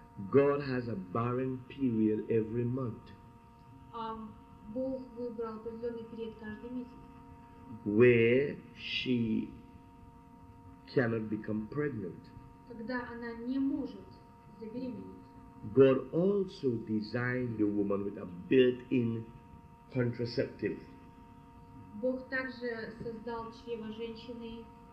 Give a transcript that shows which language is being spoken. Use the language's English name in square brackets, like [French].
[English] God has a barren period every month. [Russian] Бог выбрал определенный период каждый месяц. [English] Where she cannot become pregnant. [Russian] Когда она не может забеременеть. [English] God also designed the woman with a built-in contraceptive. [Russian] Бог также создал чрево женщины.